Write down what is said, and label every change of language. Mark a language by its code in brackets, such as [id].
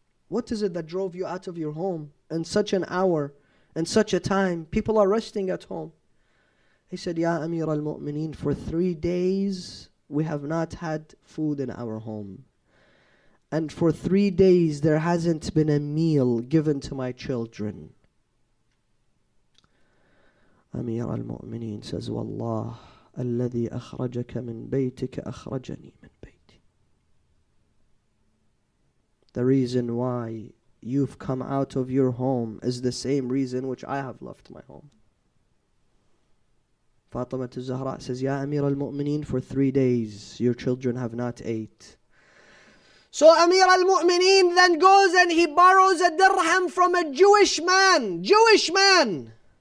[en] What is it that drove you out of your home in such an hour, in such a time? People are resting at home. He said, Ya Amir al-Mu'mineen, for 3 days we have not had food in our home. And for 3 days there hasn't been a meal given to my children. Amir al-Mu'mineen says, Wallah, [ar] الذي أخرجك من بيتك أخرجني من بيتي. [en] The reason why you've come out of your home is the same reason which I have left my home. Fatima al-Zahra says, Ya Amir al-Mu'mineen, for 3 days your children have not ate. So Amir al-Mu'mineen then goes and he borrows a dirham from a Jewish man.